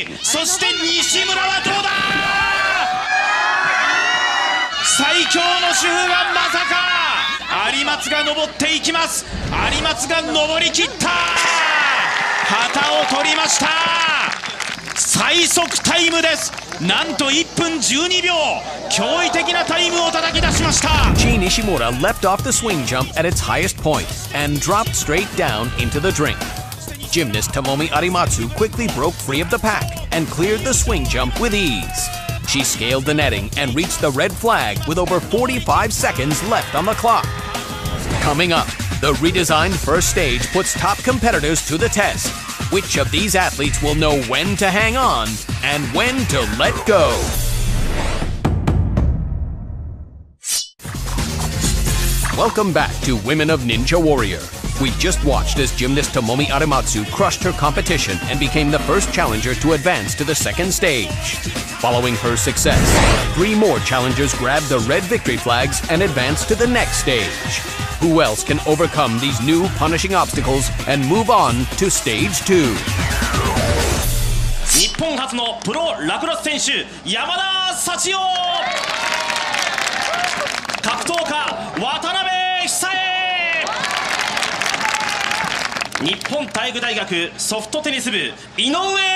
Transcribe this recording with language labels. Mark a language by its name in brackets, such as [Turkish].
[Japanese] そして西村はどうだ。最強の主婦がまさか、有松が登っていきます。有松が登りきった。旗を取りました。最速タイムです。なんと1分12秒、驚異的なタイムを叩き出しました。 G. [English] Nishimura leapt off the swing jump at its highest point and dropped straight down into the drink. Gymnast Tomomi Arimatsu quickly broke free of the pack and cleared the swing jump with easeShe scaled the netting and reached the red flag with over 45 seconds left on the clock. Coming up, the redesigned first stage puts top competitors to the test. Which of these athletes will know when to hang on and when to let go? Welcome back to Women of Ninja Warrior. We just watched as gymnast Tomomi Arimatsu crushed her competition and became the first challenger to advance to the second stage. Following her success, three more challengers grabbed the red victory flags and advanced to the next stage. Who else can overcome these new punishing obstacles and move on to stage two? [Japanese] 日本初のプロラクロス選手、山田幸男。格闘家、渡辺久恵。日本体育大学ソフトテニス部、井上真澄。